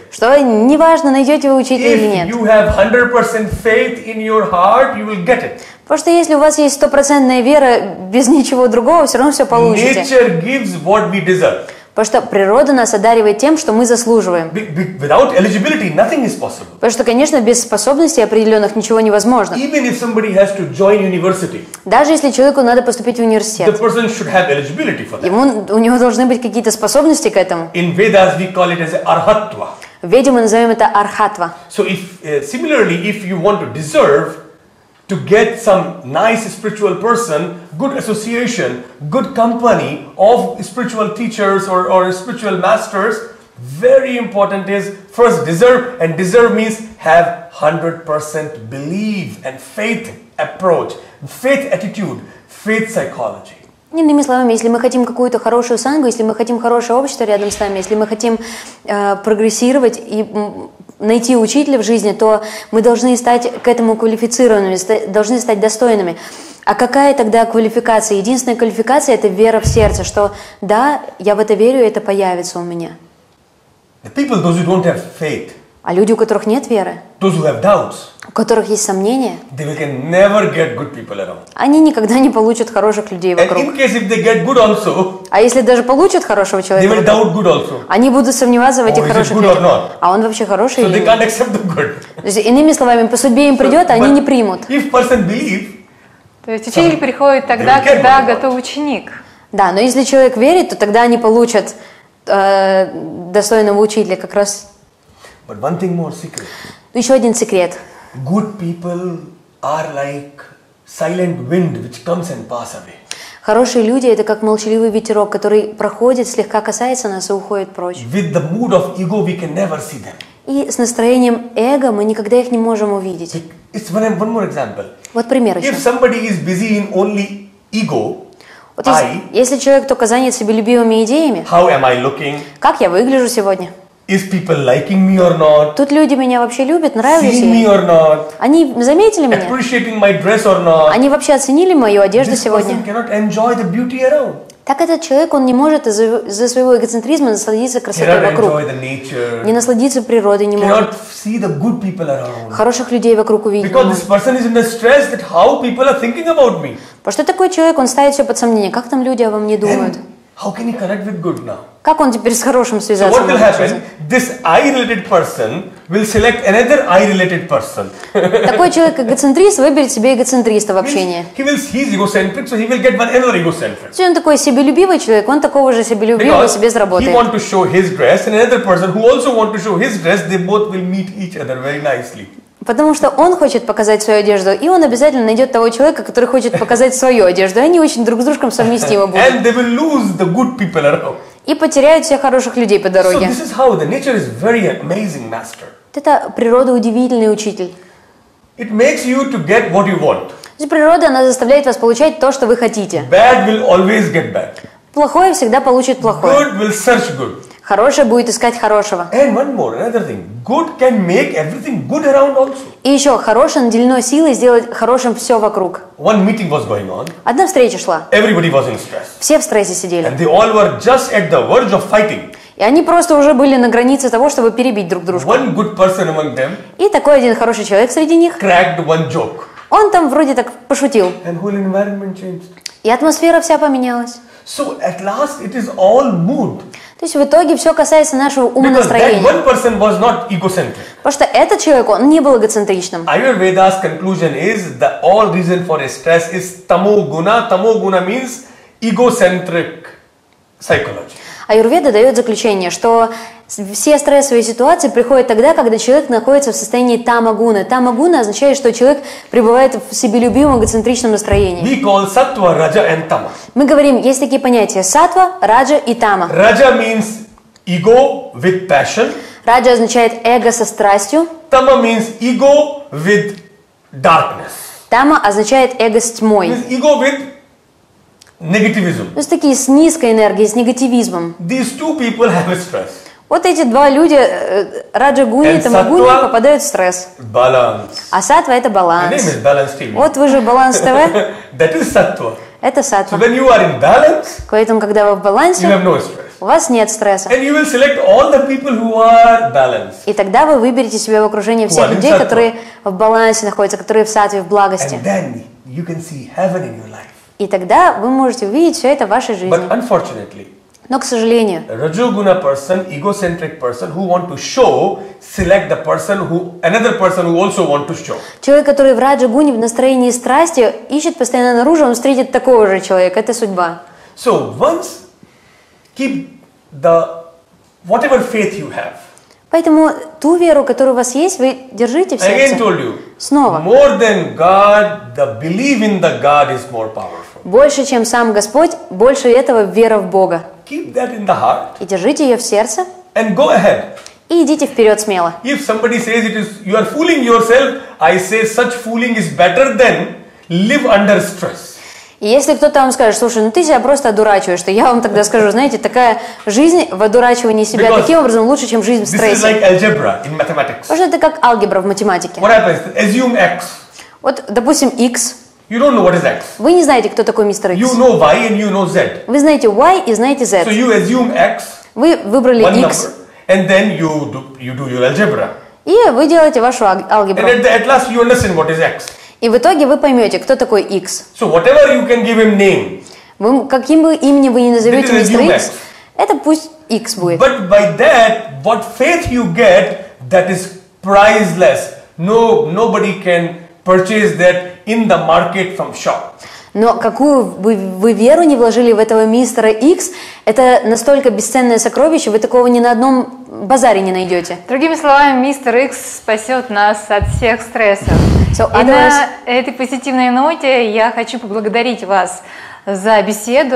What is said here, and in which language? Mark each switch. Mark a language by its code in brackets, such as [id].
[ru] Что неважно, найдете вы учителя или нет. [en] If you have 100% faith in your heart, you will get it. [ru] Потому что если у вас есть 100% вера, без ничего другого, все равно все получите. [en] Nature gives what we deserve. [ru] Потому что природа нас одаривает тем, что мы заслуживаем. [en] Without eligibility, nothing is possible. [ru] Потому что, конечно, без способностей определенных ничего невозможно. [en] Even if somebody has to join university, [ru] даже если человеку надо поступить в университет, [en] the person should have eligibility for that. [ru] У него должны быть какие-то способности к этому. [en] In Vedas we call it as arhatva. [ru] В Веде мы называем это архатва. [en] So if, similarly, if you want to deserve to get some nice spiritual person, good association, good company of spiritual teachers or spiritual masters, very important is first deserve, and deserve means have 100% belief and faith approach, faith attitude, faith psychology. [ru] Иными словами, если мы хотим какую-то хорошую сангу, если мы хотим хорошее общество рядом с нами, если мы хотим прогрессировать и найти учителя в жизни, то мы должны стать к этому квалифицированными, должны стать достойными. А какая тогда квалификация? Единственная квалификация – это вера в сердце, что да, я в это верю, и это появится у меня. [en] The people, those who don't have faith, [ru] а люди, у которых нет веры, [en] those who have doubts, [ru] у которых есть сомнения, [en] they can never get good people around. [ru] Они никогда не получат хороших людей вокруг. [en] And in case, if they get good also, [ru] а если даже получат хорошего человека, [en] they will doubt good also. [ru] Они будут сомневаться в этих oh, хороших людях. А он вообще хороший? [en] So they can't accept the good. [ru] То есть, иными словами, по судьбе им придет, а они не примут. [en] If person believe, [ru] то есть учитель приходит тогда, когда готов ученик. Да, но если человек верит, то тогда они получат достойного учителя как раз. [en] But one thing more secret. [ru] Еще один секрет. [en] Good people are like silent wind, which comes and pass away. [ru] Хорошие люди — это как молчаливый ветерок, который проходит, слегка касается нас и уходит прочь. [en] With the mood of ego, we can never see them. [ru] И с настроением эго мы никогда их не можем увидеть. [en] It's one more example. [ru] Вот пример еще. [en] If somebody is busy in only ego, [ru] вот если, если человек только занят себелюбивыми идеями, [en] how am I looking? [ru] Как я выгляжу сегодня? [en] Is people liking me or not? [ru] Тут люди меня вообще любят, нравились ли? [en] See me or not? [ru] Они заметили меня? [en] Appreciating my dress or not? [ru] Они вообще оценили мою одежду [en] this [ru] сегодня? [en] This person cannot enjoy the beauty around. [ru] Так этот человек, он не может из-за своего эгоцентризма насладиться красотой [en] cannot [ru] вокруг. [en] Enjoy the nature. [ru] Не насладиться природой не [en] cannot [ru] может. [en] Cannot see the good people around. [ru] Хороших людей вокруг увидеть. [en] Because this person is in the stress that how people are thinking about me. [ru] По что такой человек, он ставит все под сомнение, как там люди обо мне думают? [en] And how can he connect with good now? [ru] Как он теперь с хорошим связаться? [en] So what will happen? This eye-related person will select another eye-related person. [ru] Такой человек эгоцентрист выберет себе эгоцентриста в общении. [en] He will he's egocentric, so he will get another egocentric. [ru] Он такой себелюбивый человек, он такого же себелюбивого себе заработает. [en] He want to show his dress, and another person who also want to show his dress, they both will meet each other very nicely. [ru] Потому что он хочет показать свою одежду, и он обязательно найдет того человека, который хочет показать свою одежду, и они очень друг с дружком совместимы будут. [en] And they will lose the good people around. [ru] И потеряют всех хороших людей по дороге. [en] So this is how the nature is very amazing master. [ru] Это природа удивительный учитель. [en] It makes you to get what you want. [ru] Природа, она заставляет вас получать то, что вы хотите. [en] Bad will always get bad. [ru] Плохое всегда получит плохое. [en] Good will search good. [ru] Хорошее будет искать хорошего. [en] And one more, another thing. Good can make everything good around also. [ru] И еще, хорошее наделено силой сделать хорошим все вокруг. [en] One meeting was going on. [ru] Одна встреча шла. [en] Everybody was in stress. [ru] Все в стрессе сидели. [en] And they all were just at the verge of fighting. [ru] И они просто уже были на границе того, чтобы перебить друг дружку. [en] One good person among them. [ru] И такой один хороший человек среди них. [en] Cracked one joke. [ru] Он там вроде так пошутил. [en] And whole environment changed. [ru] И атмосфера вся поменялась. [en] So at last it is all mood. [ru] То есть в итоге все касается нашего ума настроения. [en] Because that one person was not egocentric. [ru] Потому что этот человек, он не был эгоцентричным. [en] Ayurveda's conclusion is the all reason for stress is tamoguna. Tamoguna means egocentric psychology. [ru] Аюрведа дает заключение, что все стрессовые ситуации приходят тогда, когда человек находится в состоянии тамагуны. Тамагуна означает, что человек пребывает в себелюбивом эгоцентричном настроении. [en] We call sattva, raja and tama. [ru] Мы говорим, есть такие понятия: сатва, раджа и тама. [en] Раджа means ego with passion. [ru] Раджа означает эго со страстью. [en] Тама means ego with darkness. [ru] Тама означает эго с тьмой. [en] Means ego with negativism. [ru] То есть такие с низкой энергией, с негативизмом. [en] These two people have a stress. [ru] Вот эти два люди, Раджа Гуни и Тамагуни, попадают в стресс. Баланс. А сатва – это баланс. [en] Your name is Balance TV. [ru] Вот вы же Баланс ТВ. [en] That is sattva. [ru] Это сатва. [en] So when you are in balance, [ru] поэтому, когда вы в балансе, [en] you have no stress. [ru] У вас нет стресса. [en] And you will select all the people who are balanced. [ru] И тогда вы выберете себе в окружение всех людей, sattva, которые в балансе находятся, которые в сатве, в благости. [en] And then you can see heaven in your life. [ru] И тогда вы можете увидеть все это в вашей жизни. [en] But unfortunately, [ru] но, к сожалению, [en] Rajoguna person, egocentric person, who want to show, select the person who, another person who also want to show. [ru] Человек, который в Раджогуне в настроении страсти, ищет постоянно наружу, он встретит такого же человека. Это судьба. [en] So once keep the whatever faith you have. [ru] Поэтому ту веру, которую у вас есть, вы держите в сердце. [en] Again told you. [ru] Снова. [en] More than God, the belief in the God is more powerful. [ru] Больше, чем сам Господь, больше этого вера в Бога. [en] Keep that in the heart. [ru] И держите ее в сердце. [en] And go ahead. [ru] И идите вперед смело. [en] If somebody says it is you are fooling yourself, I say such fooling is better than live under stress. [ru] И если кто-то вам скажет, слушай, ну ты себя просто одурачиваешь, что я вам тогда скажу, знаете, такая жизнь в одурачивании себя [en] because [ru] таким образом лучше, чем жизнь в стрессе. [en] This is like algebra in mathematics. [ru] Может, это как алгебра в математике. [en] What happens? Assume X. [ru] Вот, допустим, X. [en] You don't know what is X. [ru] Вы не знаете, кто такой мистер X. [en] You know Y and you know Z. [ru] Вы знаете Y и знаете Z. [en] So you assume X. [ru] Вы выбрали [en] one [ru] X. [en] Number. And then you do your algebra. [ru] И вы делаете вашу алгебру. [en] And at last you understand what is X. [ru] И в итоге вы поймете, кто такой X. [en] So whatever you can give him name. [ru] Вы, каким бы именем вы ни назовете мистер X, X, это пусть X будет. [en] But by that, what faith you get, that is priceless. No, nobody can purchase that in the market from shop. [ru] Но какую бы вы веру не вложили в этого мистера X, это настолько бесценное сокровище, вы такого ни на одном базаре не найдете. Другими словами, мистер X спасет нас от всех стрессов. [en] So, [ru] и на этой позитивной ноте я хочу поблагодарить вас за беседу.